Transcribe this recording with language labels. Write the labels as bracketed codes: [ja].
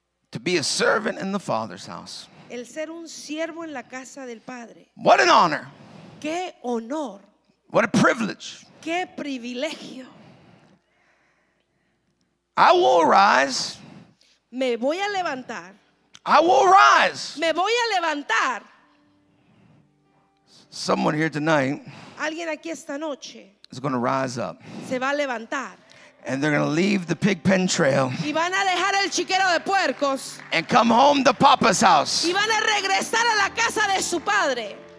[en] To be a servant in the Father's house. [es] El ser un siervo en la casa del Padre. [en] What an honor. [es] Qué honor. [en] What a privilege. [es] Qué privilegio. [en] I will rise. [es] Me voy a levantar. [en] I will rise. [es] Me voy a levantar. [en] Someone here tonight. [es] Alguien aquí esta noche. [en] Is going to rise up. [es] Se va a levantar. [en] And they're going to leave the pig pen trail. [es] Y van a dejar el chiquero de puercos. [en] And come home to Papa's house. [es] Y van a regresar a la casa de su padre.